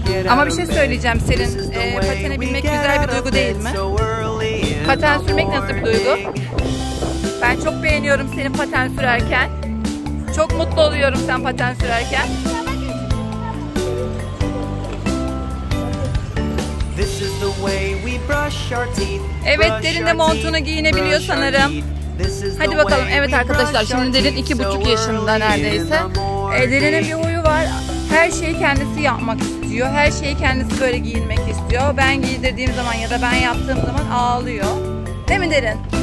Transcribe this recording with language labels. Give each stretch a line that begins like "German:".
Turkish: Ama bir şey söyleyeceğim Selin. Patene binmek güzel bir duygu değil mi? Paten sürmek nasıl bir duygu? Ben çok beğeniyorum senin paten sürerken. Çok mutlu oluyorum sen paten sürerken.
English: This is the way we brush our teeth.
Turkish: Evet, Derin de montunu giyinebiliyor sanırım. Hadi bakalım. Evet arkadaşlar, şimdi Derin 2,5 yaşında neredeyse. Derin'in bir huyu var. Her şeyi kendisi yapmak istiyor. Her şeyi kendisi böyle giyinmek istiyor. Ben giydirdiğim zaman ya da ben yaptığım zaman ağlıyor. Değil mi Derin?